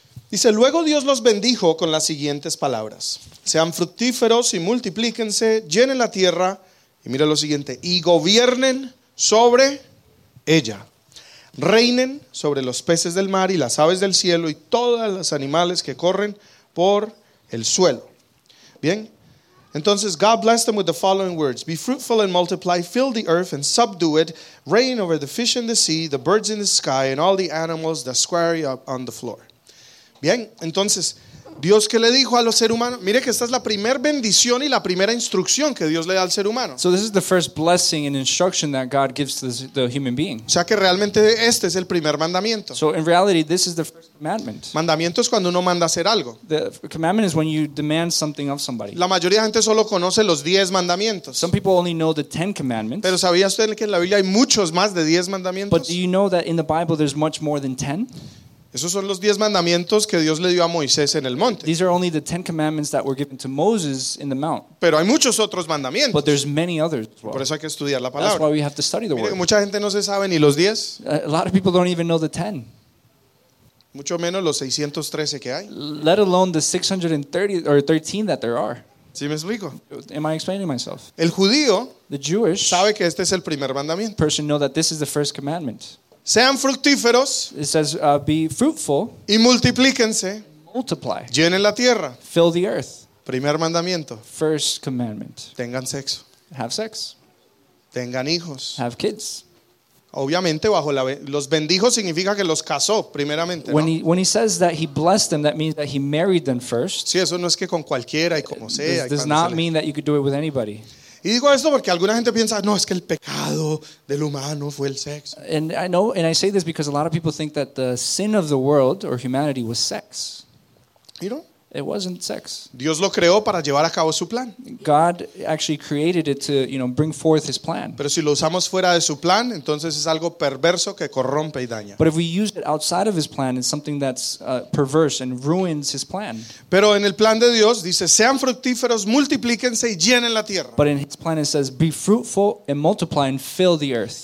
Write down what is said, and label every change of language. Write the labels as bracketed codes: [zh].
[es] Dice, luego Dios los bendijo con las siguientes palabras. Sean fructíferos y multiplíquense, llenen la tierra, y mira lo siguiente, y gobiernen sobre ella. Reinen sobre los peces del mar y las aves del cielo y todos los animales que corren por el suelo. Bien. [en] Entonces, God blessed them with the following words. Be fruitful and multiply. Fill the earth and subdue it. Reign over the fish in the sea, the birds in the sky, and all the animals that squarry up on the floor. [es] Bien. Entonces, Dios que le dijo a los seres humanos. Mire que esta es la primera bendición y la primera instrucción que Dios le da al ser humano. [en] So this is the first blessing and instruction that God gives to the human being. [es] O sea que realmente este es el primer mandamiento. [en] So in reality this is the first commandment. [es] Mandamiento es cuando uno manda hacer algo. [en] The commandment is when you demand something of somebody. [es] La mayoría de gente solo conoce los 10 mandamientos. [en] Some people only know the 10 commandments. [es] Pero ¿sabía usted que en la Biblia hay muchos más de 10 mandamientos? [en] But do you know that in the Bible there's much more than 10? [es] Esos son los 10 mandamientos que Dios le dio a Moisés en el monte. [en] These are only the 10 commandments that were given to Moses in the mount. [es] Pero hay muchos otros mandamientos. [en] But there's many others. [es] Well. Por eso hay que estudiar la palabra. [en] That's why we have to study the word. [es] Mucha gente no se sabe ni los 10. [en] A lot of people don't even know the 10. [es] Mucho menos los 613 que hay. [en] Let alone the 613 that there are. [es] ¿Sí me explico? [en] Am I explaining myself? [es] El judío, [en] the Jewish, [es] sabe que este es el primer mandamiento. [en] Person know that this is the first commandment. [es] Sean fructíferos. [en] It says, be fruitful. [es] Y multiplíquense. [en] Multiply. [es] Llenen la tierra. [en] Fill the earth. [es] Primer mandamiento. [en] First commandment. [es] Tengan sexo. [en] Have sex. [es] Tengan hijos. [en] Have kids. [es] Obviamente bajo la los bendijo significa que los casó primeramente. [en] When, [es] ¿no? [en] when he says that he blessed them, that means that he married them first. [es] Sí, eso no es que con cualquiera y como sea. [en] Does not mean that you could do it with anybody. [es] Y digo esto porque alguna gente piensa, no, es que el pecado del humano fue el sexo. [en] And I know, and I say this because a lot of people think that the sin of the world or humanity was sex. You know? It wasn't sex. [es] Dios lo creó para llevar a cabo su plan. [en] God actually created it to, you know, bring forth his plan. [es] Pero si lo usamos fuera de su plan, entonces es algo perverso que corrompe y daña. [en] But if we use it outside of his plan, it's something that's perverse and ruins his plan. [es] Pero en el plan de Dios dice, sean fructíferos, multiplíquense y llenen la tierra. [en] But in his plan it says, be fruitful and multiply and fill the earth.